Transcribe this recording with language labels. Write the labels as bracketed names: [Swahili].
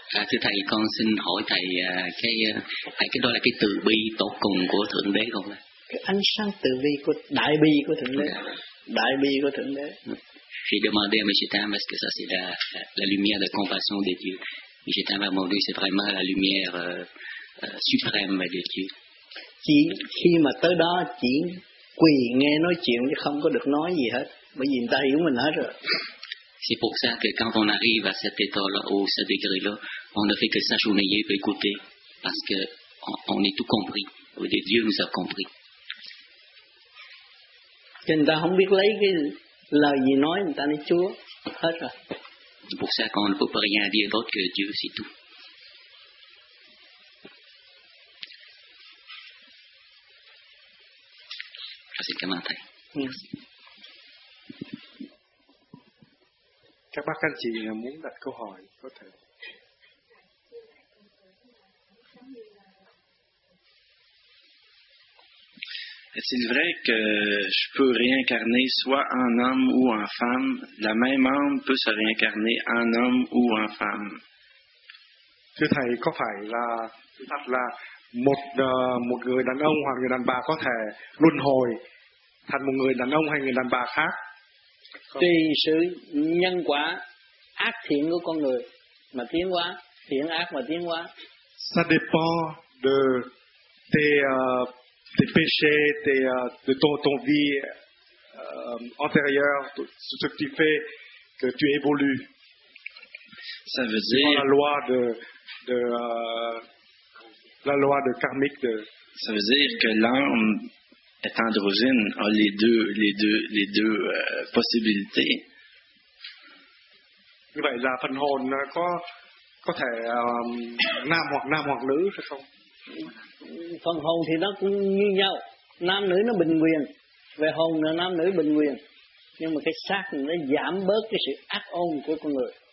[Vietnamese] Thưa thầy, con xin hỏi thầy cái đó là cái từ bi tột cùng của Thượng Đế không? Cái ánh sáng từ bi của đại bi của Thượng Đế. Đại bi của Thượng Đế. [French] J'ai demandé à Michetam parce que ça c'est la lumière de compassion de Dieu. Michetam m'a demandé c'est vraiment la lumière suprême de Dieu. [Vietnamese] Chỉ khi mà tới đó chỉ quỳ nghe nói chuyện chứ không có được nói gì hết. Bởi vì người ta hiểu mình hết rồi. [French] C'est pour ça que quand on arrive à cet état-là ou à ce degré-là, on ne fait que s'agenouiller pour écouter parce qu'on est tout compris. Dieu nous a compris. [Vietnamese] Người ta không biết lấy cái lời gì nói, người ta nói Chúa. Hết rồi. [French] C'est pour ça qu'on ne peut pas rien dire d'autre que Dieu, c'est tout. Ça, c'est le commentaire. Merci. [Vietnamese] Các bác anh chị muốn đặt câu hỏi có thể. [French] Est-il vrai que je peux réincarner soit en homme ou en femme? La même âme peut se réincarner en homme ou en femme? [Vietnamese] Thưa thầy, có phải là thật là một người đàn ông hoặc người đàn bà có thể luân hồi thành một người đàn ông hay người đàn bà khác? Tùy sự nhân quả ác thiện của con người mà tiến hóa, thiện ác mà tiến hóa. [French] Ça dépend de tes péchés, de ton vie antérieure, ce que tu fais, que tu évolues. Ça veut dire. Dans la loi de karmique. Ça veut dire que l'âme est androgyne, a les deux possibilités. [Vietnamese] Như vậy là phần hồn có thể nam hoặc nữ phải không? Phần hồn thì nó cũng như nhau, nam nữ nó bình quyền, về hồn là nam nữ bình quyền, nhưng mà cái xác nó giảm bớt cái sự ác ôn của con người.